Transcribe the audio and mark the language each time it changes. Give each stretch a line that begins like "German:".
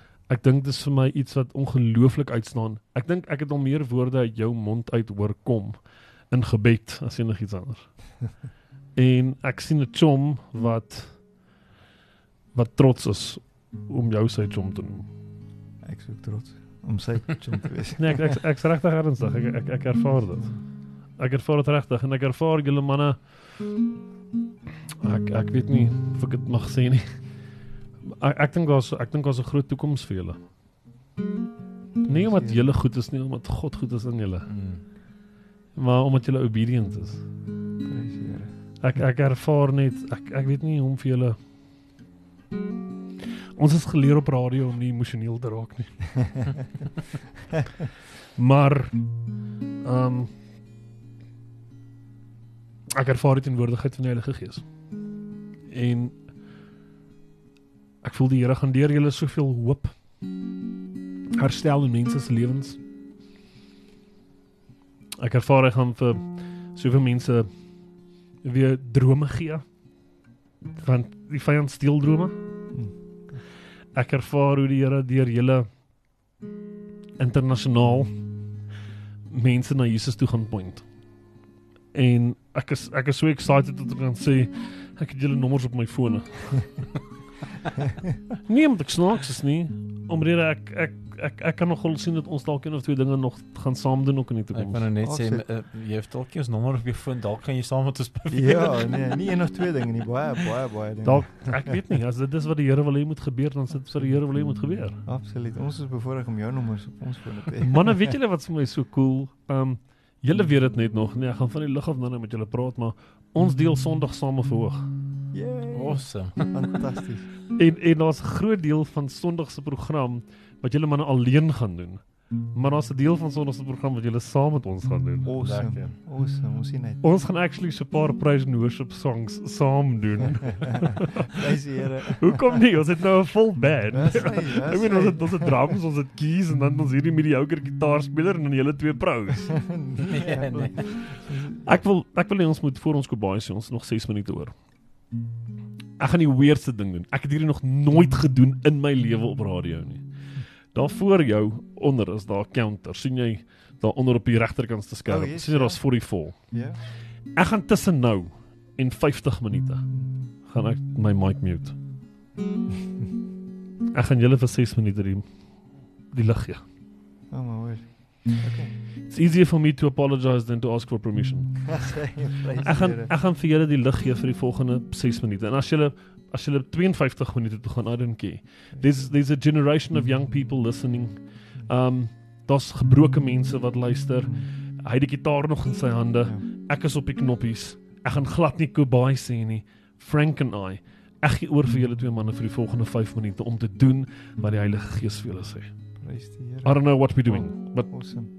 Afrikaans: Ek dink dis vir my iets wat ongelooflik uitstaan. Ek dink ek het al meer woorde uit jou mond uit hoor kom in gebed as enig iets anders. En ek sien 'n chom wat trots is om jou sy chom te noem. Ek is ook trots om sy chom te wees. Nee, ek is regtig ernstig. Ek ervaar dit. Ek ervaar dit regtig en ek ervaar julle manne. Ek weet nie of ek dit mag sê nie. Ek dink daar's 'n groot toekoms vir julle. Nie omdat julle goed is nie, omdat God goed is in julle. Maar omdat julle obedient is. Ek ervaar net, ek weet nie hoe vir julle. Ons is geleer op radio om nie emosioneel te raak nie. Maar ek ervaar die teenwoordigheid van die Heilige Gees. En ek voel die Here gaan deur julle soveel hoop herstel in mense se lewens. Ek ervaar hy gaan vir soveel mense weer drome gee, want die vyand steel drome. Ek ervaar hoe die Here deur julle internasionaal mense na Jesus toe gaan point. En ek is so excited dat ek kan sê ek het julle nommers op my foon. Nie omdat ek snaaks is nie, omrede ek kan nogal sien dat ons dalk een of twee dinge nog gaan saam doen ook in die toekoms. Ek wou net sê, jy het dalk ons nommer op jou foon, dalk gaan jy saam met ons probeer. Ja, nee, nie een of twee dinge nie, baie dinge. Dalk, ek weet nie, as dit is wat die Here wil hê moet gebeur, dan is dit vir die Here wil hê moet gebeur. Absoluut, ons is bevoorreg om jou nommers op ons foon te hê. Manne, weet julle wat vir my so cool? Julle weet dit net nog, nee, ek gaan van die lug af nou met julle praat, maar ons deel Sondag saam verhoog. Yay!
English: Awesome!
Afrikaans: Fantasties! En daar is een groot deel van Sondagse program wat julle manne alleen gaan doen. Maar daar is een deel van Sondagse program wat julle saam met ons gaan doen. Awesome! Ons sien uit. Ons gaan actually so paar
English: praise and worship songs
Afrikaans: saam doen. Dis die Here. Hoekom nie? Ons het nou een full band. Ek bedoel, ons het drums, ons het keys en dan ons hierdie mediocre gitaarspeler en dan julle twee pros. Nee. Ek wil nie, ons moet voor ons kobaai sê, ons nog 6 minute oor. Ek gaan die weirdste ding doen. Ek het hierdie nog nooit gedoen in my lewe op radio nie. Daar voor jou, onder is daar counter. Sien jy daar onder op die rechterkant te skerp?
English: Oh, yes,
Afrikaans: sien jy, daar is 44.
English: Yeah.
Afrikaans: Ek gaan tussen nou en 50 minute gaan ek my mic mute. Ek gaan julle vir 6 minute die die lig gee.
English: Oh my word. Okay. It's easier for me to apologize than to ask for permission.
Afrikaans: ek gaan vir julle die lig gee vir die volgende 6 minute. En as julle 52 minute te gaan,
English: I don't care. There's a generation of young people listening.
Afrikaans: Daar's gebroke mense wat luister. Hy het die gitaar nog in sy hande. Ek is op die knoppies. Ek gaan glad nie Kobay sê nie.
English: Frank and I.
Afrikaans: Ek gee oor vir julle twee manne vir die volgende 5 minute om te doen wat die Heilige Gees vir julle sê.
English: I don't know what we're doing, but awesome.